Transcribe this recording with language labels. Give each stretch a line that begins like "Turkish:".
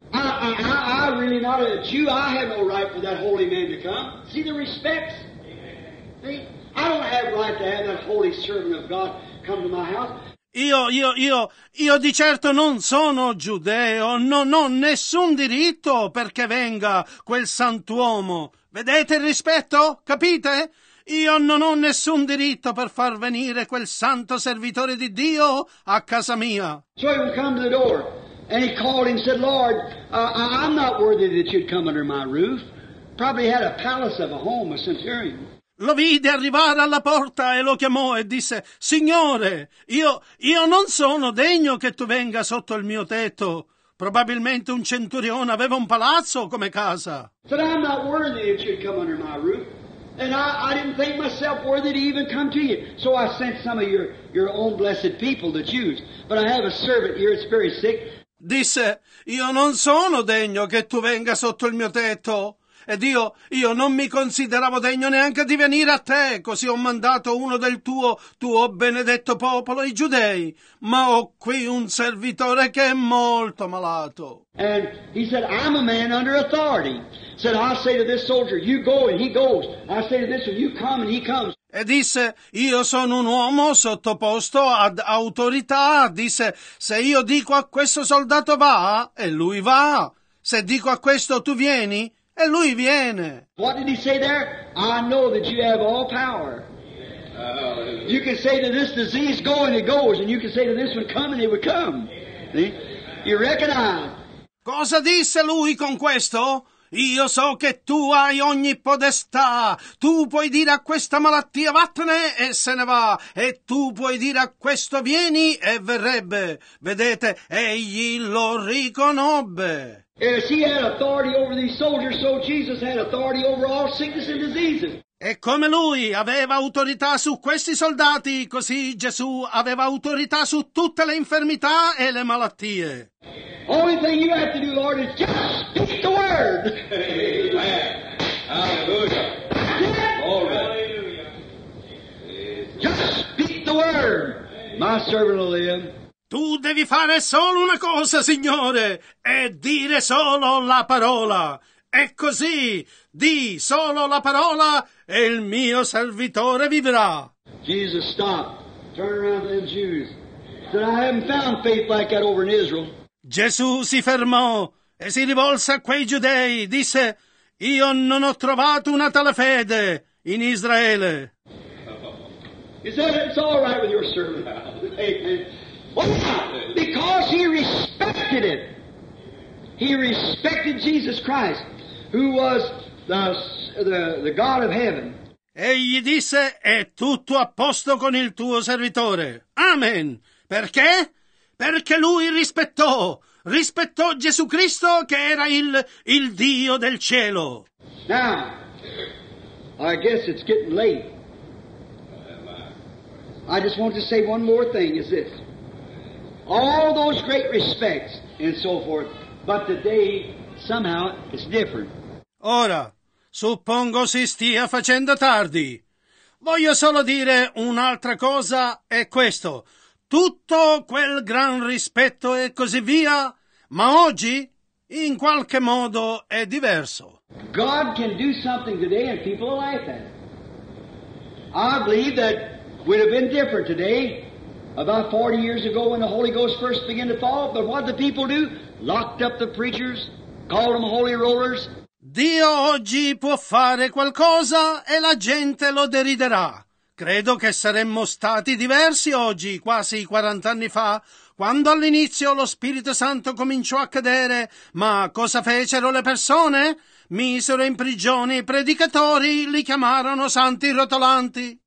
English: I really not a Jew, I have no right for that holy man to come. See the respects? See, I don't have right to have that holy servant of God come to my house.
Italian: Io di certo non sono giudeo, non ho nessun diritto perché venga quel sant'uomo. Vedete il rispetto? Capite? Io non ho nessun diritto per far venire quel santo servitore di Dio a casa mia.
English: So he would come to the door and he called and said, Lord, I'm not worthy that you'd come under my roof. Probably had a palace of a home, a centurion.
Italian: Lo vide arrivare alla porta e lo chiamò e disse, Signore, io non sono degno che tu venga sotto il mio tetto. Probabilmente un centurione aveva un palazzo come casa.
English: But I'm not worthy that you'd come under my roof. And I didn't think myself worthy to even come to you. So I sent some of your own blessed people, the Jews. But I have a servant here that's very sick.
Italian: Disse, io non sono degno che tu venga sotto il mio tetto. Ed io non mi consideravo degno neanche di venire a te, così ho mandato uno del tuo benedetto popolo, i giudei. Ma ho qui un servitore che è molto malato.
English: And he said, I'm a man under authority. Said, I say to this soldier, you go and he goes. I say to this one, you come and he comes.
Italian: E disse, io sono un uomo sottoposto ad autorità. Disse, se io dico a questo soldato va, e lui va. Se dico a questo tu vieni, e lui viene.
English: What did he say there? I know that you have all power. You can say to this disease, go and it goes. And you can say to this one, come and it would come. You recognize.
Italian: Cosa disse lui con questo? Io so che tu hai ogni podestà. Tu puoi dire a questa malattia, vattene e se ne va. E tu puoi dire a questo, vieni e verrebbe. Vedete, egli lo riconobbe.
English: As he had authority over these soldiers, so Jesus had authority over all sickness and diseases.
Italian: E come lui aveva autorità su questi soldati, così Gesù aveva autorità su tutte le infermità e le malattie.
English: Only thing you have to do, Lord, is just speak the word. Amen. Hallelujah. Yes. Hallelujah. Just speak the word. My servant will live.
Italian: Tu devi fare solo una cosa, Signore, e dire solo la parola. E così, di solo la parola, e il mio servitore vivrà.
English: Jesus stopped, turned around to them Jews, said, I haven't found faith like that over in Israel.
Italian: Gesù si fermò e si rivolse a quei giudei, disse, io non ho trovato una tale fede in Israele.
English: He said, it's all right with your servant. Amen. Why? Because he respected it. He respected Jesus Christ, who was the God of heaven.
Italian: Egli disse, è tutto a posto con il tuo servitore. Amen. Perché? Perché lui rispettò Gesù Cristo, che era il Dio del cielo.
English: Now, I guess it's getting late. I just want to say one more thing, is this. All those great respects and so forth, but today somehow it's different.
Italian: Ora, suppongo si stia facendo tardi. Voglio solo dire un'altra cosa, è questo. Tutto quel gran rispetto e così via, ma oggi, in qualche modo, è diverso.
English: God can do something today and people like that. I believe that would have been different today. About 40 years ago when the Holy Ghost first began to fall, but what did the people do? Locked up the preachers, called them holy rollers.
Italian: Dio oggi può fare qualcosa e la gente lo deriderà. Credo che saremmo stati diversi oggi, quasi 40 anni fa, quando all'inizio lo Spirito Santo cominciò a cadere. Ma cosa fecero le persone? Misero in prigione i predicatori, li chiamarono santi rotolanti.